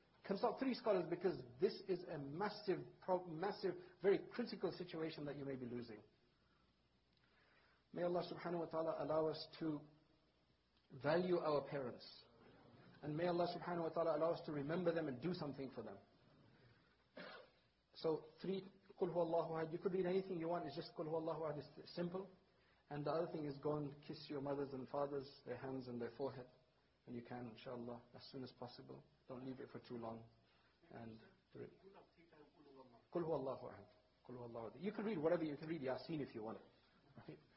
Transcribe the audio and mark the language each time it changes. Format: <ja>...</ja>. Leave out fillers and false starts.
<en>Consult three scholars, because this is a massive, very critical situation that you may be losing. May Allah subhanahu wa ta'ala allow us to value our parents. And may Allah subhanahu wa ta'ala allow us to remember them and do something for them. So three,</en> <ar>قُلْ هُوَ اللَّهُ أَحَدٌ.</ar> <en>You could read anything you want, it's just</en> <ar>قُلْ هُوَ اللَّهُ أَحَدٌ.</ar> <en>It's simple. And the other thing is go and kiss your mothers and fathers, their hands and their forehead. And you can, inshallah, as soon as possible. Don't leave it for too long. And three.</en> <ar>قُلْ هُوَ اللَّهُ أَحَدٌ. قُلْ هُوَ اللَّهُ أَحَدٌ.</ar> <en>You can read whatever, you can read Yasin if you want it. Right?</en>